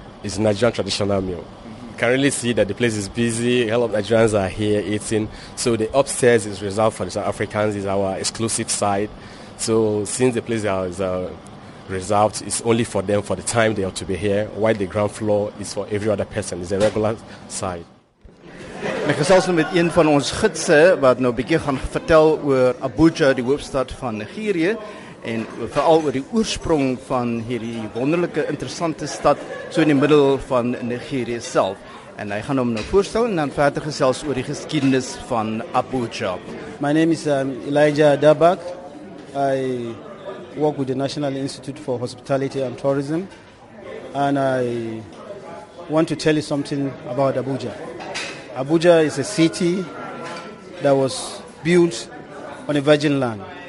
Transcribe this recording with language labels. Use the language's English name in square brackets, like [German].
[English] It's Nigerian traditional meal. You can really see that the place is busy. A lot of Nigerians are here eating. So the upstairs is reserved for the South Africans. It's our exclusive side. So since the place is reserved, it's only for them for the time they have to be here. While the ground floor is for every other person. It's a regular side. [Afrikaans] Ek gesels met een van ons gidse wat nou 'n bietjie gaan vertel oor Abuja, die hoofstad van Nigerië en veral oor die oorsprong van hierdie wonderlike interessante stad so in die middel van Nigerië self. En hy gaan hom nou voorstel en dan verder gesels oor die geskiedenis van Abuja. [English] My name is Elijah Dabak. I work with the National Institute for Hospitality and Tourism and I want to tell you something about Abuja. Abuja is a city that was built on a virgin land.